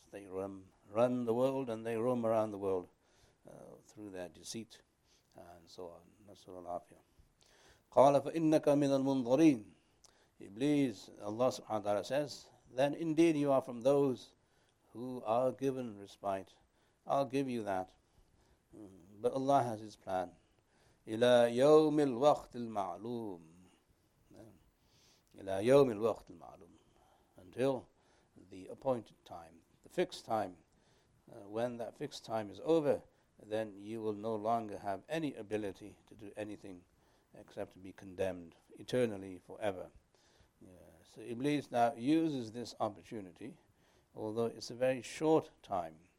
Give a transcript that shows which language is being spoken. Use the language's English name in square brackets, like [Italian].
[English] They run the world and they roam around the world through their deceit and so on. Nasrul Afiyah. [Arabic] قَالَ فَإِنَّكَ مِنَ الْمُنْظَرِينَ [English] Iblis, Allah subhanahu wa ta'ala says, then indeed you are from those who are given respite. I'll give you that. But Allah has His plan. [Arabic] إِلَى يَوْمِ الْوَقْتِ الْمَعْلُومِ إِلَى يَوْمِ الْوَقْتِ الْمَعْلُومِ [English] Until the appointed time, the fixed time. When that fixed time is over, then you will no longer have any ability to do anything except to be condemned eternally, forever. Yeah. So Iblis now uses this opportunity, although it's a very short time.